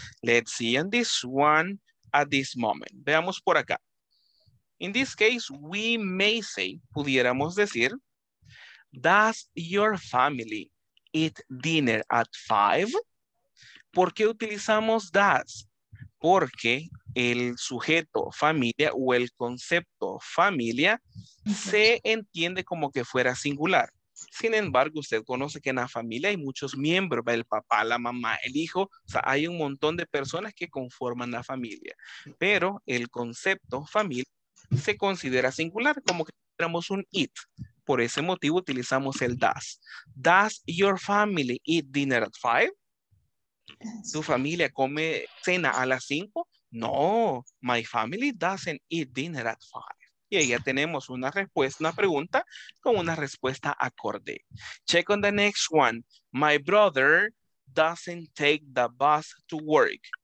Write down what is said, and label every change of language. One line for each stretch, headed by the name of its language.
English: Let's see on this one at this moment.
Spanish: Veamos por acá.
English: In this case, we may say,
Spanish: pudiéramos decir,
English: does your family eat dinner at five?
Spanish: ¿Por qué utilizamos does? Porque el sujeto familia o el concepto familia se entiende como que fuera singular. Sin embargo, usted conoce que en la familia hay muchos miembros, el papá, la mamá, el hijo, o sea, hay un montón de personas que conforman la familia. Pero el concepto familia se considera singular, como que tuviéramos un it. Por ese motivo utilizamos el does.
English: Does your family eat dinner at five?
Spanish: ¿Tu familia come cena a las 5?
English: No, my family doesn't eat dinner at 5.
Spanish: Y ahí ya tenemos una respuesta, una pregunta con una respuesta acorde.
English: Check on the next one. My brother doesn't take the bus to work.